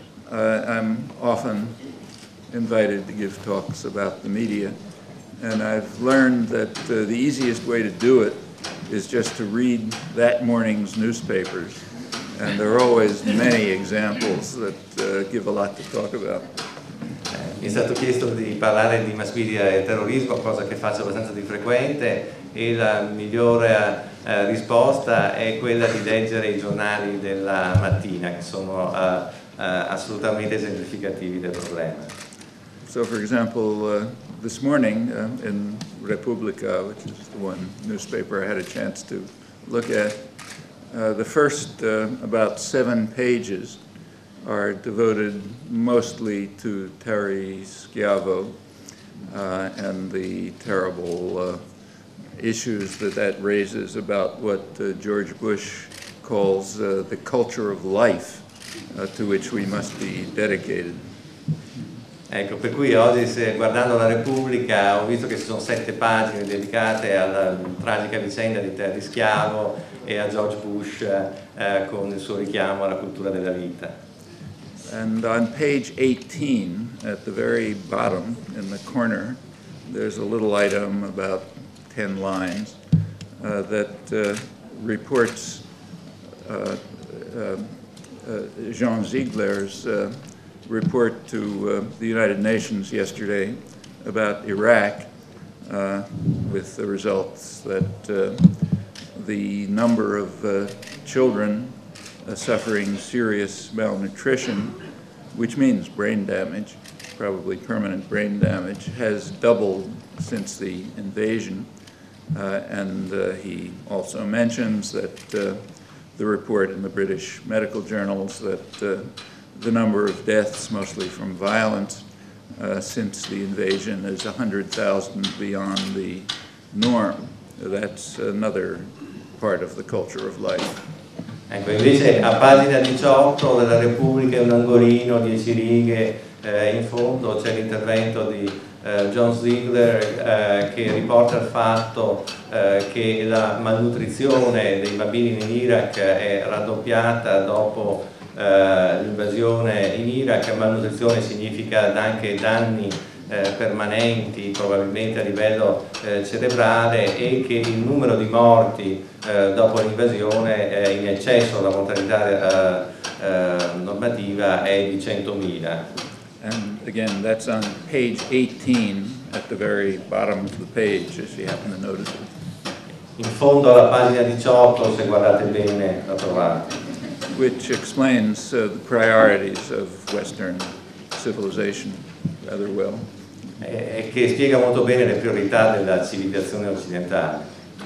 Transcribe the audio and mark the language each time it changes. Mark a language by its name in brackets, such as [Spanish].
[English] I'm often invited to give talks about the media, and I've learned that the easiest way to do it is just to read that morning's newspapers, and there are always many examples that give a lot to talk about. [Italian] Mi è stato chiesto di parlare di mass media e terrorismo, cosa che faccio abbastanza di frequente, e la migliore risposta è quella di leggere i giornali della mattina, che sono assolutamente esemplificativi del problema. [English] So, for example, this morning in Repubblica, which is the one newspaper I had a chance to look at, the first about seven pages are devoted mostly to Terry Schiavo and the terrible issues that that raises about what George Bush calls the culture of life to which we must be dedicated. [Italian] Ecco, per cui oggi, se guardando la Repubblica, ho visto che ci sono sette pagine dedicate alla tragica vicenda di Terry Schiavo e a George Bush con il suo richiamo alla cultura della vita. [English] And on page 18, at the very bottom, in the corner, there's a little item about 10 lines that reports Jean Ziegler's report to the United Nations yesterday about Iraq, with the results that the number of children suffering serious malnutrition, which means brain damage, probably permanent brain damage, has doubled since the invasion. And he also mentions that the report in the British medical journals that the number of deaths, mostly from violence, since the invasion is 100,000 beyond the norm. That's another part of the culture of life. [Italian] Ecco, invece a pagina 18 della Repubblica, un angolino, 10 righe in fondo, c'è l'intervento di John Ziegler che riporta il fatto che la malnutrizione dei bambini in Iraq è raddoppiata dopo l'invasione in Iraq. Malnutrizione significa anche danni permanenti, probabilmente a livello cerebrale, e che il numero di morti dopo l'invasione è in eccesso alla mortalità normativa, è di 100.000. [English] And again, that's on page 18 at the very bottom of the page, if you happen to notice it. [Italian] In fondo alla pagina 18, se guardate bene, la trovate. [English] Which explains the priorities of Western civilization rather well. [Italian] E che spiega molto bene le priorità della civilizzazione occidentale.